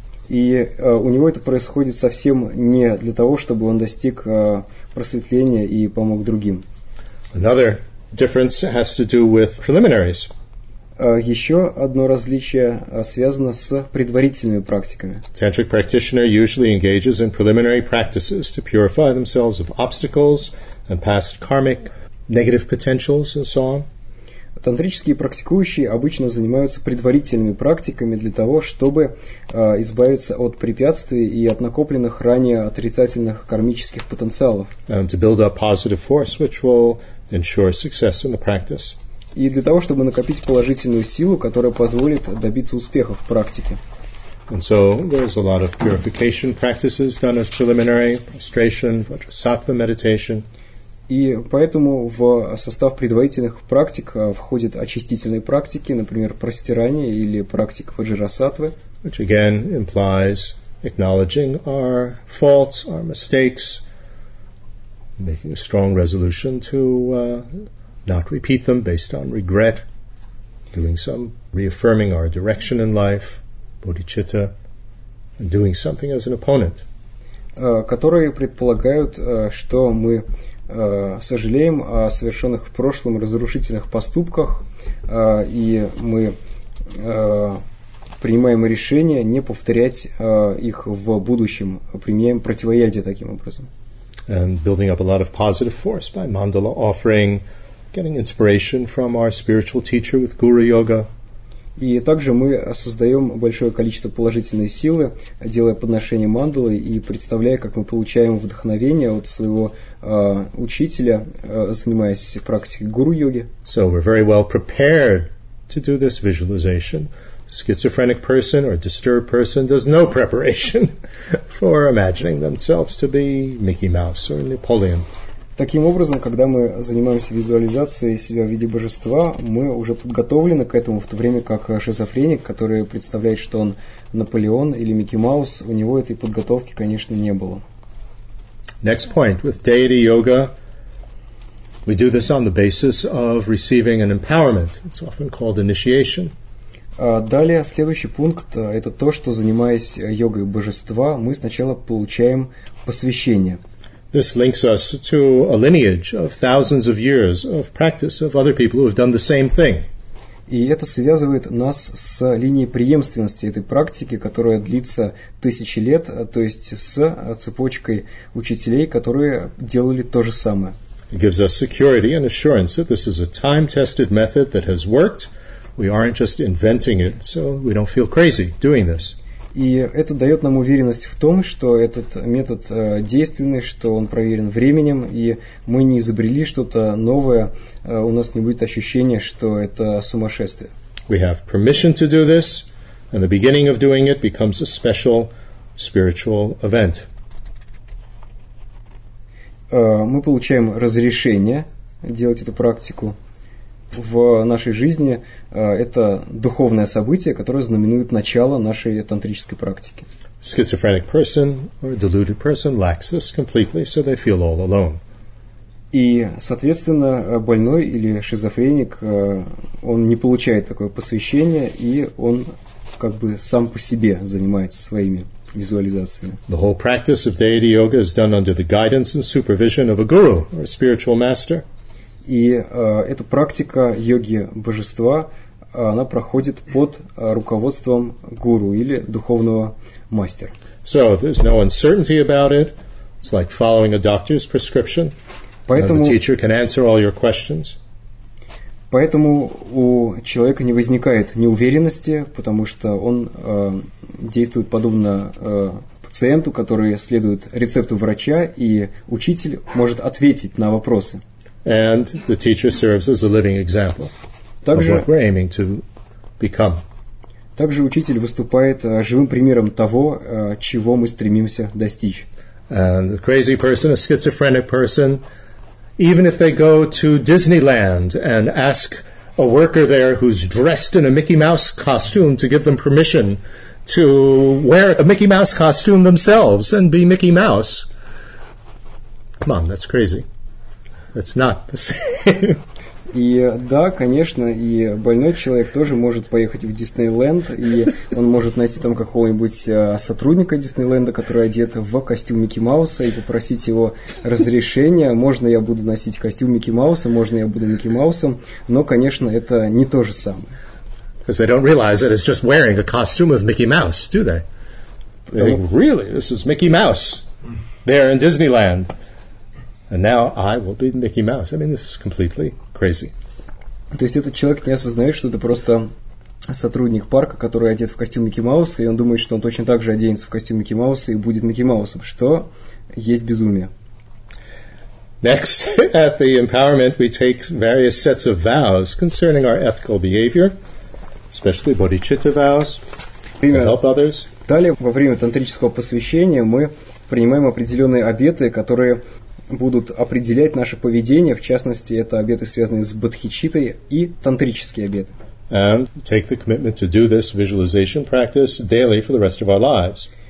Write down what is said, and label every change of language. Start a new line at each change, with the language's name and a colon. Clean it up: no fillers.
Russian: И у него это происходит совсем не для того, чтобы он достиг просветления и помог другим.
English: Another difference has to do with preliminaries.
Russian: Еще одно различие связано с предварительными практиками.
English: Tantric practitioner usually engages in preliminary practices to purify themselves of obstacles and past karmic negative potentials and so on.
Russian: Тантрические практикующие обычно занимаются предварительными практиками для того, чтобы избавиться от препятствий и от накопленных ранее отрицательных кармических потенциалов.
English: And to build up positive force, which will ensure success in the practice.
Russian: И для того, чтобы накопить положительную силу, которая позволит добиться успеха в практике.
English: And so there's a lot of purification practices done as preliminary, prostration, vajrasattva meditation.
Russian: И поэтому в состав предварительных практик входят очистительные практики, например, простирание или практика ваджрасаттвы.
English: Which again implies acknowledging our faults, our mistakes, making a strong resolution to not repeat them based on regret, doing some reaffirming our direction in life, bodhicitta, and doing something as an opponent.
Russian: Которые предполагают, что мы сожалеем о совершенных в прошлом разрушительных поступках, и мы принимаем решение не повторять их в будущем, применяем противоядие таким образом.
English: And building up a lot of positive force by mandala offering, getting inspiration from our spiritual teacher with guru yoga.
Russian: И также мы создаем большое количество положительной силы, делая подношение мандалы и представляя, как мы получаем вдохновение от своего учителя, занимаясь практикой гуру йоги.
English: So we're very well prepared to do this visualization. Schizophrenic person or disturbed person does no preparation for imagining themselves to be Микки Маус or Наполеон.
Russian: Таким образом, когда мы занимаемся визуализацией себя в виде божества, мы уже подготовлены к этому, в то время как шизофреник, который представляет, что он Наполеон или Микки Маус, у него этой подготовки, конечно, не было.
English: Next point, with deity yoga, We do this on the basis of receiving an empowerment. It's often called initiation.
Russian: Далее, следующий пункт – это то, что, занимаясь йогой божества, мы сначала получаем посвящение.
English: This links us to a lineage of thousands of years of practice of other people who have done the same thing.
Russian: И это связывает нас с линией преемственности этой практики, которая длится тысячи лет, то есть с цепочкой учителей, которые делали то же самое.
English: It gives us security and assurance that this is a time-tested method that has worked. We aren't just inventing it, so we don't feel crazy doing this.
Russian: И это дает нам уверенность в том, что этот метод действенный, что он проверен временем, и мы не изобрели что-то новое, у нас не будет ощущения, что это сумасшествие.
English: We have permission to do this, and the beginning of doing it becomes a special spiritual event.
Russian: Мы получаем разрешение делать эту практику. В нашей жизни это духовное событие, которое знаменует начало нашей тантрической практики.
English: Schizophrenic person or deluded person lacks this completely, so they feel all alone.
Russian: И, соответственно, больной или шизофреник, он не получает такое посвящение, и он как бы сам по себе занимается своими визуализациями.
English: The whole practice of deity yoga is done under the guidance and supervision of a guru or a spiritual master.
Russian: И эта практика йоги божества, она проходит под руководством гуру или духовного мастера.
English: So there's no uncertainty about it. It's like following a doctor's prescription.
Russian: Поэтому,
English: the teacher can answer all your questions.
Russian: Поэтому у человека не возникает неуверенности, потому что он действует подобно пациенту, который следует рецепту врача, и учитель может ответить на вопросы.
English: And the teacher serves as a living example
Russian: также,
English: of what we're aiming to become.
Russian: Также учитель выступает живым примером того, чего мы стремимся достичь.
English: And a crazy person, a schizophrenic person, even if they go to Disneyland and ask a worker there who's dressed in a Mickey Mouse costume to give them permission to wear a Mickey Mouse costume themselves and be Mickey Mouse, come on, that's crazy. It's not the same.
Russian: И да, конечно, и больной человек тоже может поехать в Диснейленд, и он может найти там какого-нибудь сотрудника Диснейленда, который одет в костюм Микки Мауса, и попросить его разрешения. Можно я буду носить костюм Микки Мауса, можно я буду Микки Маусом, но, конечно, это не то же самое.
English: Because they don't realize that it's just wearing a costume of Mickey Mouse, do they? They think, really, this is Mickey Mouse there in Disneyland. And now I will be Mickey Mouse. I mean, this is completely crazy.
Russian: То есть этот человек не осознает, что это просто сотрудник парка, который одет в костюм Микки Мауса, и он думает, что он точно так же оденется в костюм Микки Мауса и будет Микки Маусом, что есть безумие.
English: Next, at the empowerment, we take various sets of vows concerning our ethical behavior, especially bodhicitta vows, to help others.
Russian: Далее, во время тантрического посвящения, мы принимаем определенные обеты, которые будут определять наше поведение, в частности, это обеты, связанные с бодхичиттой и тантрические обеты.
English: And take the commitment to do this visualization practice daily for the rest of our lives.